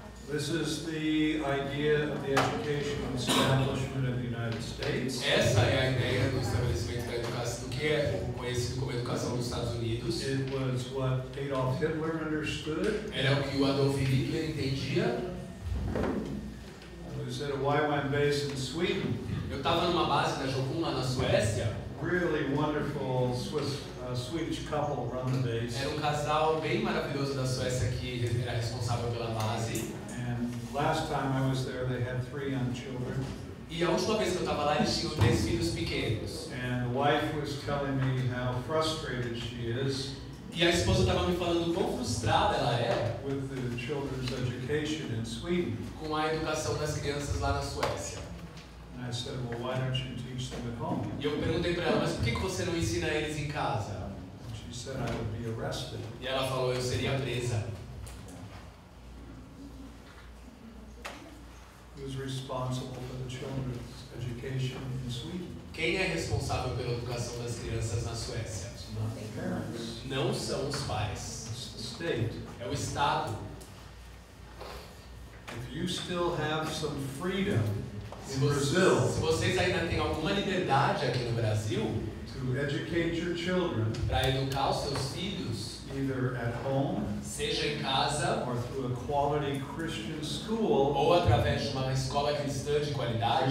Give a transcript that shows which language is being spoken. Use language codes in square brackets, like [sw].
[en] This is the idea of the education establishment of the United States. [pt] Essa é a ideia do estabelecimento da educação, que é conhecido como educação dos Estados Unidos. [en] It was what Adolf Hitler understood. [pt] Era o que o Adolf Hitler entendia. [en] It was at a YWAM base in Sweden. [pt] Eu estava numa base da Jocum lá na Suécia. [en] Really wonderful Swiss, Swedish couple run the base. [pt] Era um casal bem maravilhoso da Suécia que era responsável pela base. [en] Last time I was there, they had three young children. [pt] E a última vez que eu estava lá, eles tinham 10 filhos pequenos. [en] And the wife was telling me how frustrated she is. [pt] E a esposa estava me falando quão frustrada ela é. [en] With the children's education in Sweden. [pt] Com a educação das crianças lá na Suécia. [en] And I said, well, why don't you teach them at home? [pt] E eu perguntei para ela, mas por que você não ensina eles em casa? [en] And she said, I would be arrested. [pt] E ela falou, eu seria presa. [en] Who's responsible for the children's education in Sweden? [pt] Quem é responsável pela educação das crianças na Suécia? [en] It's not the parents. [pt] Não são os pais. [en] It's the state. [pt] É o Estado. [en] If you still have some freedom in Brazil, [pt] se vocês ainda têm alguma liberdade aqui no Brasil, [en] to educate your children, [pt] para educar os seus filhos, [en] either at home, [pt] seja em casa, [en] or through a quality Christian school, [pt] ou através de uma escola cristã de qualidade,